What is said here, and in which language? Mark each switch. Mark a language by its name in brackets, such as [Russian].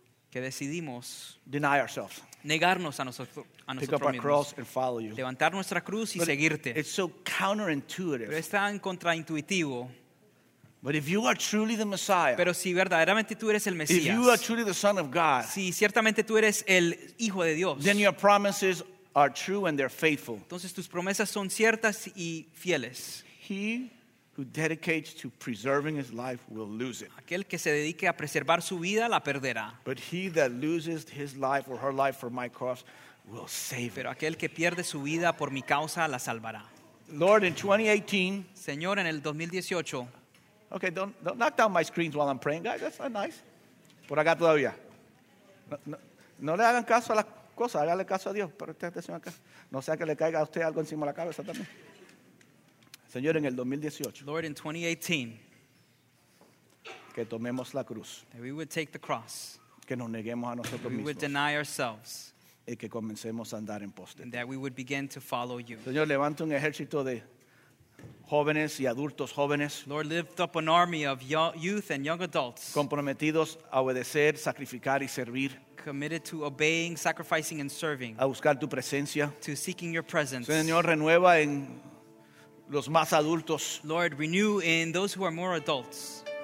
[Spanish] que decidimos, [English] deny ourselves, [Spanish] negarnos a nosotros, a [English] pick up our cross and follow you, [Spanish] levantar nuestra cruz y seguirte. [English] It's so counterintuitive. [Spanish] Pero es tan contraintuitivo. [English] But if you are truly the Messiah, [Spanish] pero si verdaderamente tú eres el Mesías, [English] if you are truly the Son of God, [Spanish] si ciertamente tú eres el Hijo de Dios, [English] then your promises are true and they're faithful. [Spanish] Entonces tus promesas son ciertas y fieles. [English] He who dedicates to preserving his life will lose it. [Spanish] Aquel que se dedique a preservar su vida la perderá. [English] But he that loses his life or her life for my cause will save it. [Spanish] Pero aquel que pierde su vida por mi causa la salvará. [English] Lord, in 2018, [Spanish] Señor, en el 2018. [English] Okay, don't knock down my screens while I'm praying, guys. That's not nice. [Spanish] Por acá todavía. No le hagan caso a las cosas, háganle caso a Dios. Pero atención acá. No sea que le caiga a usted algo encima de la cabeza también. Señor, en el 2018. [English] Lord, in 2018. [Spanish] Que tomemos la cruz. [English] That we would take the cross. [Spanish] Que nos neguemos a nosotros mismos. [English] We would deny ourselves. [Spanish] Y que comencemos a andar en poste. [English] That we would begin to follow you. [Spanish] Señor, levanta un ejército de jóvenes y adultos jóvenes. [English] Lord, lift up an army of youth and young adults. [Spanish] Comprometidos a obedecer, sacrificar y servir. [English] Committed to obeying, sacrificing and serving. [Spanish] A buscar tu presencia. [English] To seeking your presence. [Spanish] Señor, renueva en los más adultos. [English] Lord, renew in those who are more adults.